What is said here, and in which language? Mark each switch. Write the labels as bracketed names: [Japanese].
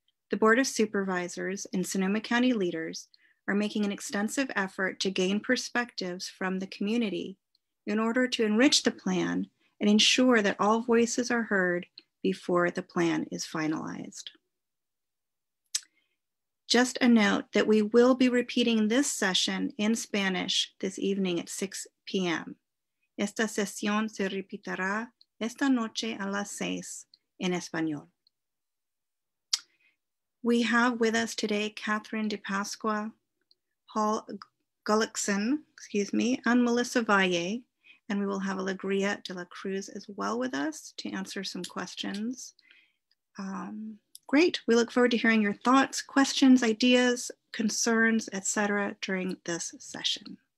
[English] The Board of Supervisors and Sonoma County leaders are making an extensive effort to gain perspectives from the community in order to enrich the plan and ensure that all voices are heard before the plan is finalized. Just a note that we will be repeating this session in Spanish this evening at 6 p.m. [Spanish] Esta sesión se repetirá esta noche a las 6 en español. [English] We have with us today Catherine DePasqua, Paul Gullickson, and Melissa Valle, and we will have Alegría de la Cruz as well with us to answer some questions. Great, we look forward to hearing your thoughts, questions, ideas, concerns, et cetera, during this session.